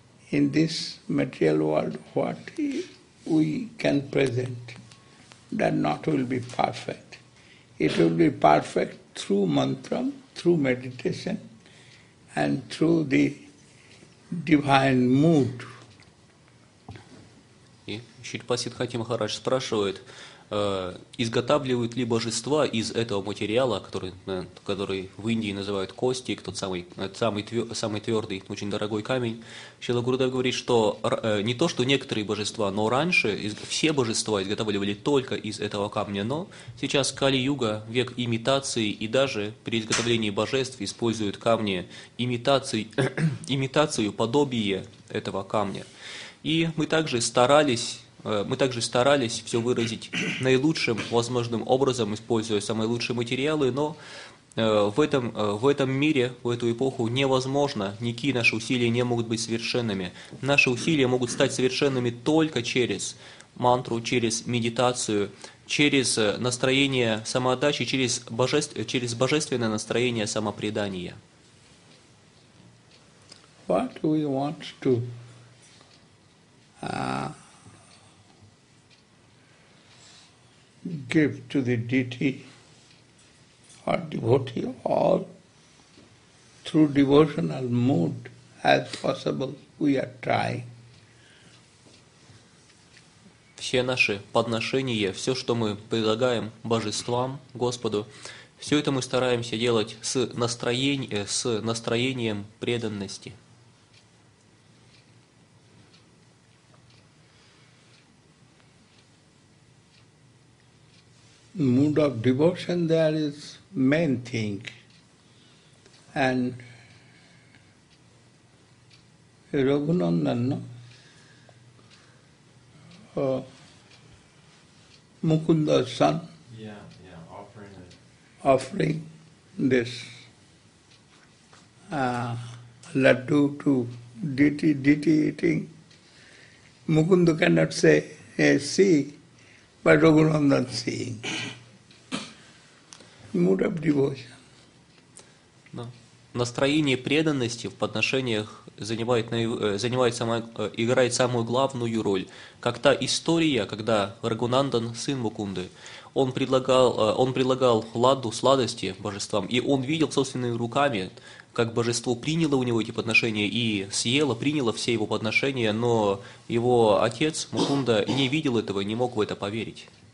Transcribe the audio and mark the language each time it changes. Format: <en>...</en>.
<en>In this material world, what we can present, that not will be perfect. It will be perfect through mantra, through meditation, and through the divine mood.</en> <ru>И Шри Пасидхати Махарадж спрашивает, изготавливают ли божества из этого материала, который в Индии называют кости, тот самый твердый, очень дорогой камень. Шрила Гурудев говорит, что не то, что некоторые божества, но раньше все божества изготавливали только из этого камня, но сейчас Кали-Юга, век имитации, и даже при изготовлении божеств используют камни имитацию, подобие этого камня. И мы также старались все выразить наилучшим возможным образом, используя самые лучшие материалы, но в этом мире, в эту эпоху невозможно, никакие наши усилия не могут быть совершенными. Наши усилия могут стать совершенными только через мантру, через медитацию, через настроение самоотдачи, через божественное настроение самопредания.</ru> <en>What do we want to give to the deity or devotee, all through devotional mood as possible we are trying.</en> <ru>Все наши подношения, все, что мы предлагаем божествам, Господу, все это мы стараемся делать с настроением преданности.</ru> <en>Mood of devotion there is main thing, and Raghunandan, no? Mukunda's son, yeah, offering this laddu to deity eating. Mukunda cannot say, hey, see, but Raghunandan seeing. Mood of devotion.</en> <ru>Да. Настроение преданности в подношениях играет самую главную роль. Как та история, когда Рагунандан, сын Мукунды, он предлагал ладу, сладости божествам, и он видел собственными руками, как божество приняло у него эти подношения и съело, приняло все его подношения, но его отец Мукунда не видел этого, не мог в это поверить.</ru>